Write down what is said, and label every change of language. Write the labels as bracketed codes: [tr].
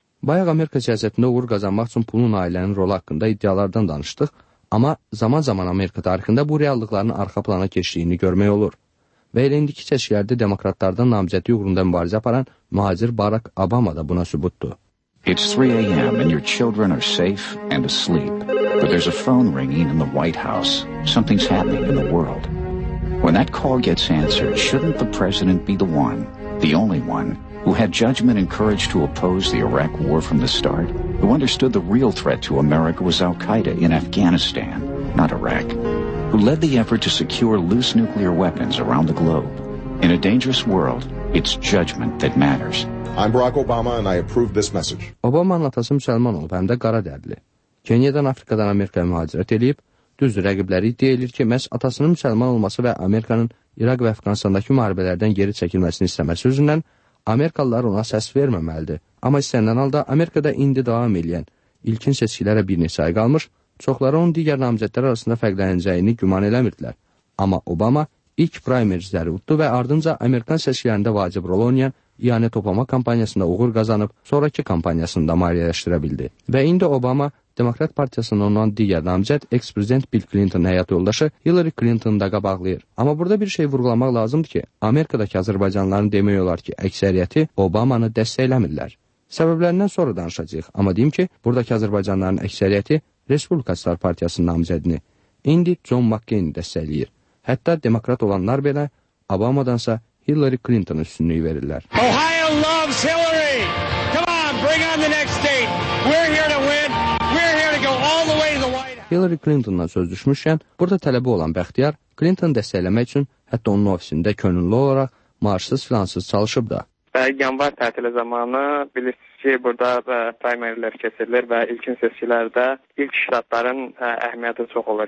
[az] Bayaq Amerika siyasətində uğur qazanmaq üçün pulun ailənin rolu haqqında iddialardan danışdıq, amma zaman-zaman Amerika tarixində bu reallıqların arxa plana keçdiyini görmək olur. Və elə indiki seçkilərdə demokratlardan namizədi uğrunda mübarizə aparan mühacir Barack Obama da buna sübutdur. [en] It's 3 a.m. and your children are safe and asleep. But there's a phone ringing in the White House. Something's happening in the world. When that call gets answered, shouldn't the president be the one, the only one, who had judgment and courage to oppose the Iraq war from the start? Who understood the real threat to America was Al-Qaeda in Afghanistan, not Iraq? Who led the effort to secure loose nuclear weapons around the globe? In a dangerous world, it's judgment that matters. I'm Barack Obama and I approve this message. [az] Obama'nın atası müsəlman olub, həm də qara dərdli. Kenyadan Afrikadan Amerikaya mühacirət eləyib, düzdür rəqibləri deyilir ki, məhz atasının müsəlman olması və Amerikanın İraq və Afqanistandakı müharibələrdən geri çəkilməsini istəməsi üzündən Amerikalılar ona səs verməməlidir. Amma istənilən halda Amerikada indi davam edən ilkin seçkilərə bir neçə ay qalmış, çoxları onun digər namizədlər arasında fərqlənəcəyini güman eləmirdilər. Amma Obama ilk primerizləri uddu və ardınca Amerikan seçkilərində vacib rol oynayan İyanə toplama kampaniyasında uğur qazanıb, sonraki kampaniyasında maliyyələşdirə bildi. Və indi Obama, Demokrat Partiyasının olan digər namizəd, ex-prezident Bill Clinton həyat yoldaşı Hillary Clinton da qabaqlayır. Amma burada bir şey vurgulamaq lazımdır ki, Amerikadakı Azərbaycanlıların demək olar ki, əksəriyyəti Obamanı dəstəkləmirlər. Səbəblərindən sonra danışacaq, amma deyim ki, buradakı Azərbaycanlıların əksəriyyəti Respublikaçılar Partiyasının namizədini, indi John McCain dəstəkləyir. Hətta demokrat olanlar belə Obamadansa Hillary Clinton üstünlüyü verirlər. [en] Ohio loves Hillary. Come on, bring on the next state. We're here to win. We're here to go all the way to the White House. [az] Hillary Clinton'la söz düşmüşkən, burada tələbi olan Bəxtiyar Clinton dəstəkləmək üçün hətta onun ofisində könüllü olaraq maaşsız filansız çalışıb da. Və yanvar tətili zamanı bilirsiniz ki, burada primerlər keçirilir və ilkin seçkilərdə ilk ştatların əhəmiyyəti çox olur.